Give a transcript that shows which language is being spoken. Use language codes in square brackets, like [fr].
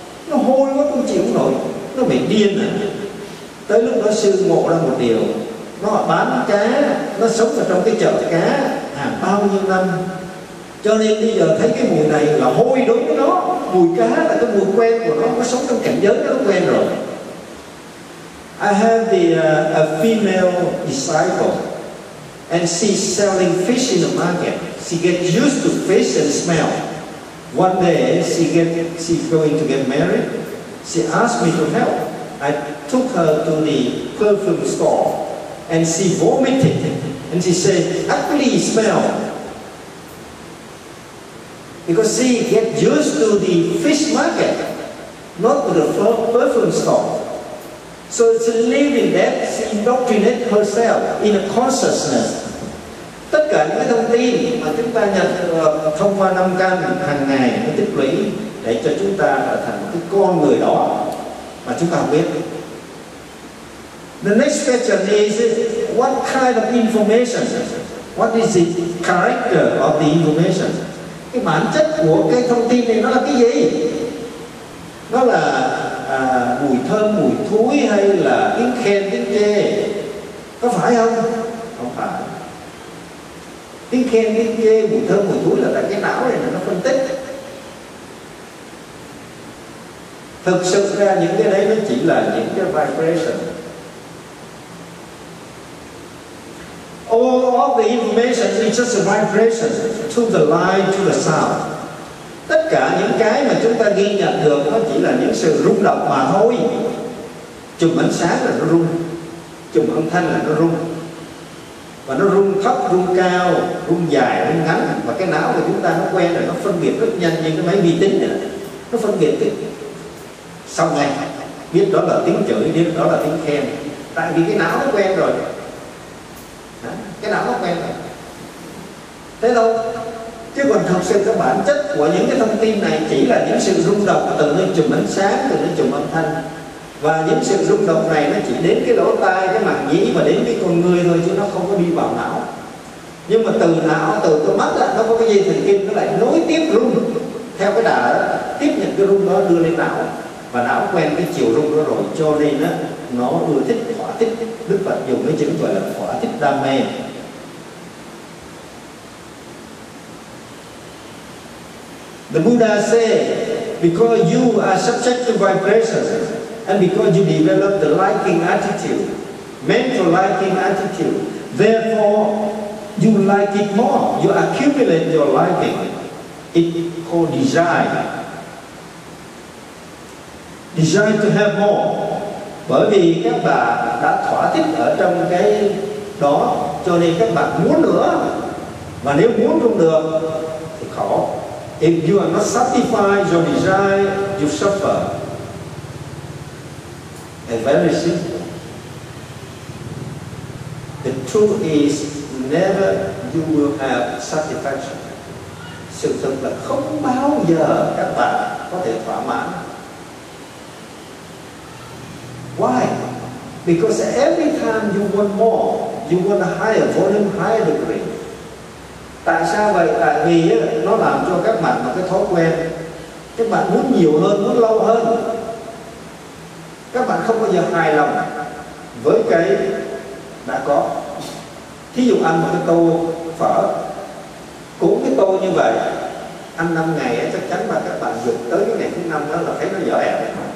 [vi] Nó hôi quá không chịu nổi, nó bị điên này. Tới lúc đó sư ngộ ra một điều, nó bán cá, nó sống ở trong cái chợ cá hàng bao nhiêu năm, cho nên bây giờ thấy cái mùi này là hôi đối với nó, mùi cá là cái mùi quen của nó sống trong cảnh giới nó quen rồi. [en] I have the a female disciple, and she's selling fish in the market. She gets used to fish and smell. One day she's going to get married. She asked me to help. I took her to the perfume store, and she vomited, and she said, "Ugly smell." Because she get used to the fish market, not to the perfume stock. So she live in that, she indoctrinate herself in a consciousness. [vi] Tất cả những cái thông tin mà chúng ta nhận thông qua năm căn hàng ngày nó tích lũy để cho chúng ta trở thành cái con người đó mà chúng ta không biết. [en] The next question is, what kind of information? What is the character of the information? [vi] Cái bản chất của cái thông tin này nó là cái gì? Nó là mùi thơm, mùi thúi hay là tiếng khen, tiếng chê? Có phải không? Không phải. tiếng khen tiếng chê, mùi thơm mùi thúi là tại cái não này là nó phân tích. Thực sự ra những cái đấy nó chỉ là những cái vibration. [en] All the information is just a vibration to the light, to the sound. [vi] Tất cả những cái mà chúng ta ghi nhận được nó chỉ là những sự rung động mà thôi. Chùm ánh sáng là nó rung, chùm âm thanh là nó rung. Và nó rung thấp, rung cao, rung dài, rung ngắn. Và cái não của chúng ta nó quen rồi, nó phân biệt rất nhanh như cái máy vi tính này. Nó phân biệt được sau ngày, biết đó là tiếng chửi, biết đó là tiếng khen. Tại vì cái não nó quen rồi. Cái não nó quen rồi. Thế thôi. Chứ còn thực sự cái bản chất của những cái thông tin này chỉ là những sự rung động từ những chùm ánh sáng, từ những chùm âm thanh. Và những sự rung động này nó chỉ đến cái lỗ tai, cái màng nhĩ và đến cái con người thôi, chứ nó không có đi vào não. Nhưng mà từ não, từ cái mắt đó, nó có cái dây thần kinh, nó lại nối tiếp rung theo cái đà đó, tiếp nhận cái rung đó đưa lên não. Và não quen cái chiều rung đó rồi, cho nên đó, nó ưa thích, thỏa thích. Đức Phật dùng cái chữ gọi là thỏa thích đam mê. [en] The Buddha said, because you are subject to vibrations, and because you develop the liking attitude, mental liking attitude, therefore you like it more. You accumulate your liking. It called desire. Desire to have more. [vi] Bởi vì các bạn đã thỏa thích ở trong cái đó, cho nên các bạn muốn nữa. Và nếu muốn không được thì khó. [en] If you are not satisfied your desire, you suffer. And very simple. The truth is, never you will have satisfaction. [vi] Sự thật là không bao giờ các bạn có thể thỏa mãn. [en] Why? Because every time you want more, you want a higher volume, higher degree. [vi] Tại sao vậy? Tại vì nó làm cho các bạn một cái thói quen. Các bạn muốn nhiều hơn, muốn lâu hơn. Các bạn không bao giờ hài lòng với cái đã có. Thí dụ ăn một cái tô phở, cuốn cái tô như vậy, ăn 5 ngày chắc chắn là các bạn dùng tới cái ngày thứ 5 đó là thấy nó dở ẹp.